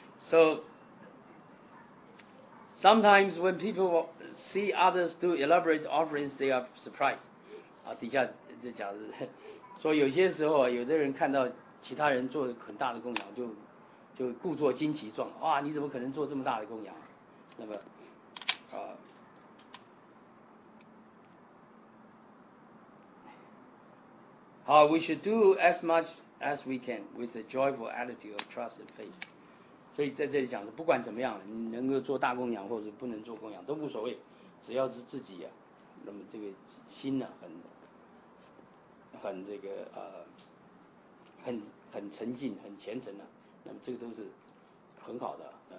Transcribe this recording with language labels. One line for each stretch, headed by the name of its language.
English: So sometimes when people see others do elaborate offerings, they are surprised.
Chinese: 啊，底下这讲的说有些时候，有的人看到其他人做很大的供养，就故作惊奇状，哇，你怎么可能做这么大的供养？那么，啊。
English: We should do as much as we can with a joyful attitude of trust and faith.
Chinese: 所以在这里讲的，不管怎么样，你能够做大供养或者不能做供养都无所谓，只要是自己啊，那么这个心呢、啊，很这个很沉静、很虔诚的、啊，那么这个都是很好的。